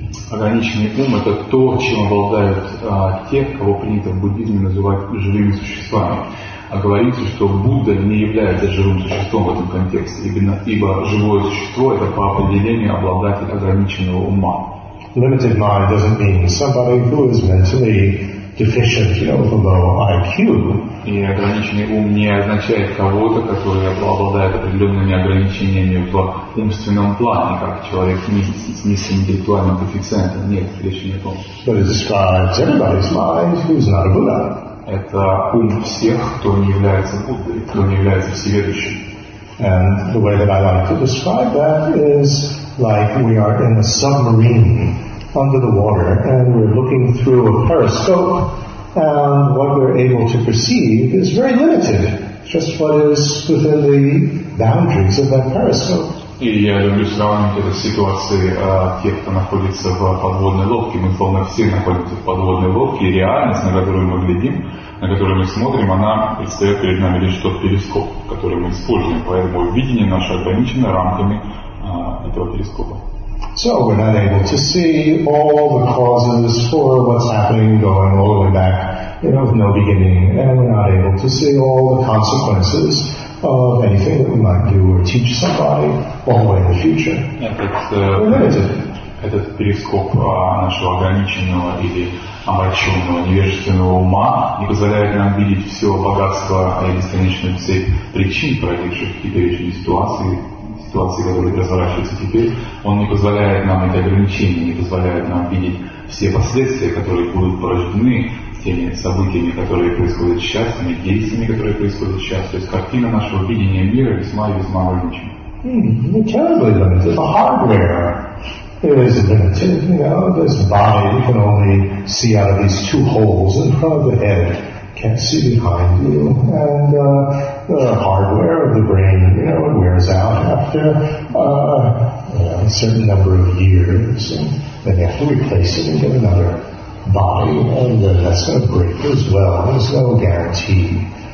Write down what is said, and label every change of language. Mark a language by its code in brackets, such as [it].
[ru] Ограниченный ум это то, чем обладают те, кого принято в буддизме называть живыми существами. А говорится, что Будда не является живым существом в этом контексте, ибо живое существо это по определению обладатель ограниченного ума. [en] Limited mind doesn't mean somebody who is mentally deficient, you know, with a low IQ. [ru] И ограниченный ум не означает кого-то, который обладает определенными ограничениями в умственном плане, как человек с низким интеллектуальным коэффициентом. Нет, речи не о том. [en] But it describes everybody's mind who's not a Buddha. [ru] Это ум всех, кто не является Буддой, кто не является всеведущим. [en] And the way that I like to describe that is like we are in a submarine under the water and we're looking through a periscope and what we're able to perceive is very limited, just what is within the boundaries of that periscope. [ru] И я люблю сравнивать это с ситуацией тех, кто находится в подводной лодке. Мы, словно, все находимся в подводной лодке, и реальность, на которую мы глядим, на которую мы смотрим, она предстает перед нами лишь тот перископ, который мы используем. Поэтому видение наше ограничено рамками этого перископа. [en] So we're not able to see all the causes for what's happening going all the way back, you know, with no beginning. And we're not able to see all the consequences of anything that we might do or teach somebody all the way in the future. [ru] Этот перископ нашего ограниченного или обольщенного невежественного ума не позволяет нам видеть все богатство и бесконечную цепь причин, проявивших теперешние ситуации. Ситуации, которые разворачиваются теперь, он не позволяет нам эти ограничения, не позволяет нам видеть все последствия, которые будут порождены теми событиями, которые происходят сейчас, теми действиями, которые происходят сейчас. То есть картина нашего видения мира весьма и весьма ограничена. [en] Не terribly limited. The hardware is limited. You know, this body you can only see out of these two holes in front of the head. Can't see behind you, and the hardware of the brain, you know, it wears out after a certain number of years, and then you have to replace it and get another body, and that's going to break as well. There's no guarantee.